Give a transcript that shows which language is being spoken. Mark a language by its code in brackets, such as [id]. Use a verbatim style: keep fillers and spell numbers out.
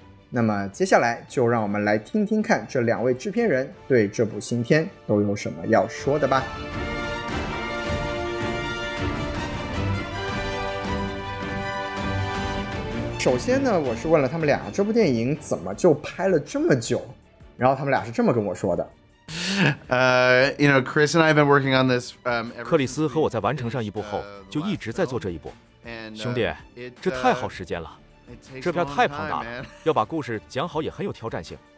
[zh] 那么接下来就让我们来听听看这两位制片人对这部新片都有什么要说的吧。首先呢，我是问了他们俩这部电影怎么就拍了这么久，然后他们俩是这么跟我说的。 [en] Uh, you know, Chris and I have been working on this. Um, ever- [zh] 克里斯和我在完成上一部后，就一直在做这一部。兄弟，这太耗时间了。这片太庞大了，要把故事讲好也很有挑战性。